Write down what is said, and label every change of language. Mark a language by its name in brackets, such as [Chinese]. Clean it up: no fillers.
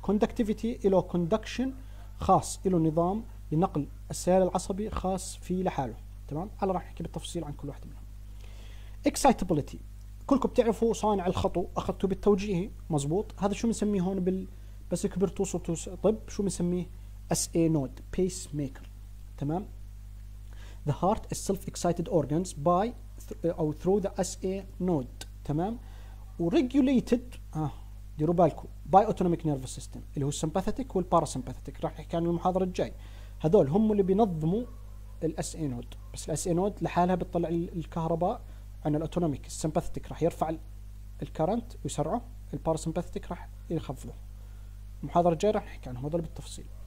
[Arabic] conductivity له conduction خاص، له نظام لنقل السيال العصبي خاص فيه لحاله. تمام. هلا راح نحكي بالتفصيل عن كل واحد منهم. excitability كلكم بتعرفوا صانع الخطو اخذته بالتوجيهي مزبوط. هذا شو بنسميه هون بس كبرتوا صرتوا طب شو بنسميه؟ SA node pacemaker. تمام. [English] The heart is self-excited organs by or through the SA node. [Arabic] تمام. [English] وregulated [Arabic] ديروا بالكم [English] by autonomic nervous system [Arabic] اللي هو [English] sympathetic والparasympathetic. [Arabic] راح نحكي عنه المحاضرة الجاي. هذول هم اللي بينظموا ال SA node. بس ال SA node لحالها بتطلع الكهرباء عن الautonomic. sympathetic راح يرفع الكرنت ويسرعه، الparasympathetic راح يخفضه. المحاضرة الجاي راح نحكي عنهم هذول بالتفصيل.